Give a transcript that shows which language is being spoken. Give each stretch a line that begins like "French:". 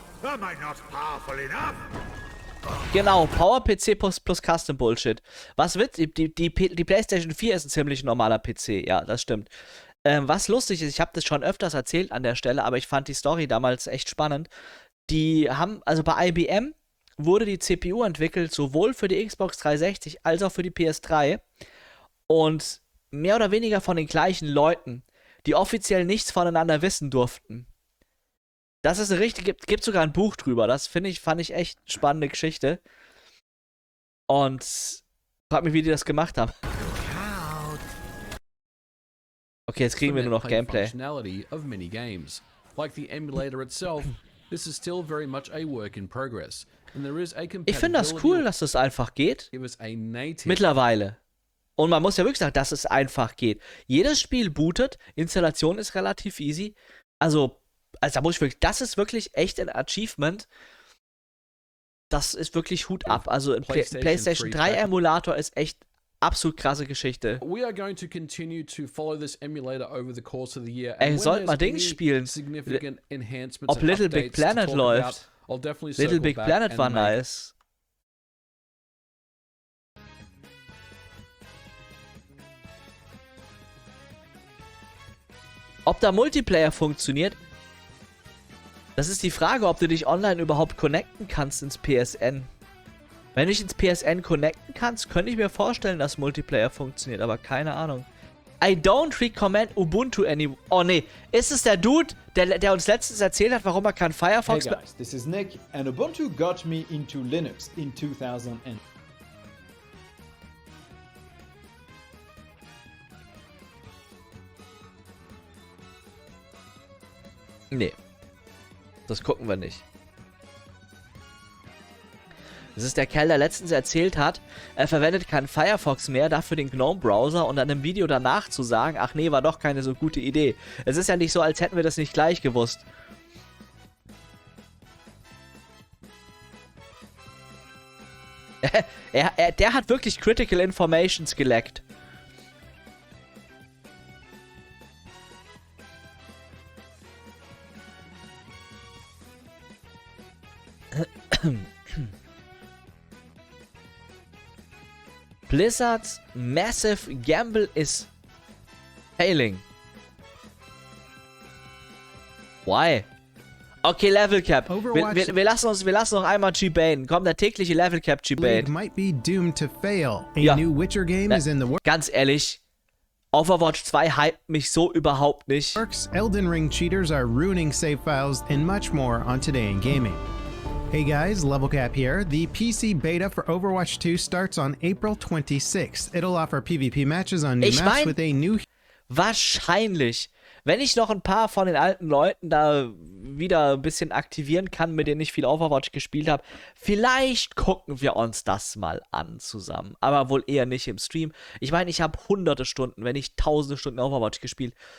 English: Am I not powerful enough?
German: Genau, Power PC plus Custom Bullshit. Was wird? Die PlayStation 4 ist ein ziemlich normaler PC, ja, das stimmt. Was lustig ist, ich habe das schon öfters erzählt an der Stelle, aber ich fand die Story damals echt spannend. Die haben, also bei IBM wurde die CPU entwickelt, sowohl für die Xbox 360 als auch für die PS3. Und mehr oder weniger von den gleichen Leuten, die offiziell nichts voneinander wissen durften. Das ist eine richtige, gibt sogar ein Buch drüber. Das fand ich echt spannende Geschichte. Und frag mich, wie die das gemacht haben. Okay, jetzt kriegen wir nur noch Gameplay.
English: Functionality of many games. Like the emulator itself, this is still very much a work in progress. And there is a compatibility.
German: Ich finde das cool, dass das einfach geht. Mittlerweile. Und man muss ja wirklich sagen, dass es einfach geht. Jedes Spiel bootet, Installation ist relativ easy. Also da muss ich wirklich, das ist wirklich echt ein Achievement. Das ist wirklich Hut ab. Also ein PlayStation 3 Emulator ist echt absolut krasse Geschichte.
English: We are going to continue to follow this emulator over the course of the year.
German: Ey, sollte mal Dings spielen.
English: Significant enhancements,
German: ob Little Big Planet läuft. Little Big Planet war nice. Ob da Multiplayer funktioniert? Das ist die Frage, ob du dich online überhaupt connecten kannst ins PSN. Wenn du dich ins PSN connecten kannst, könnte ich mir vorstellen, dass Multiplayer funktioniert, aber keine Ahnung.
English: I don't recommend Ubuntu any...
German: Oh nee, ist es der Dude, der uns letztens erzählt hat, warum er kein Firefox...
English: Hey guys, this is Nick, and Ubuntu got me into Linux in 2000 and...
German: Nee. Das gucken wir nicht. Das ist der Kerl, der letztens erzählt hat, er verwendet keinen Firefox mehr, dafür den GNOME-Browser und dann im Video danach zu sagen, ach nee, war doch keine so gute Idee. Es ist ja nicht so, als hätten wir das nicht gleich gewusst. Der hat wirklich Critical Informations geleckt.
English: Blizzard's massive gamble is failing. Why? Okay, Level Cap.
German: Wir lassen noch einmal G-Bane. Komm, der tägliche Level Cap G-Bane.
English: Might be doomed to fail. A ja. New Witcher game is in the works.
German: Ganz ehrlich, Overwatch 2 hyped mich so überhaupt nicht.
English: Works, Elden Ring cheaters are ruining save files and much more on Today in Gaming. Hey guys, Level Cap here. The PC beta for Overwatch 2 starts on April 26th. It'll offer PvP matches on new maps with a new...
German: Wahrscheinlich. Wenn ich noch ein paar von den alten Leuten da wieder ein bisschen aktivieren kann, mit denen ich viel Overwatch gespielt habe, vielleicht gucken wir uns das mal an zusammen. Aber wohl eher nicht im Stream. Ich meine, ich habe hunderte Stunden, wenn nicht tausende Stunden Overwatch gespielt.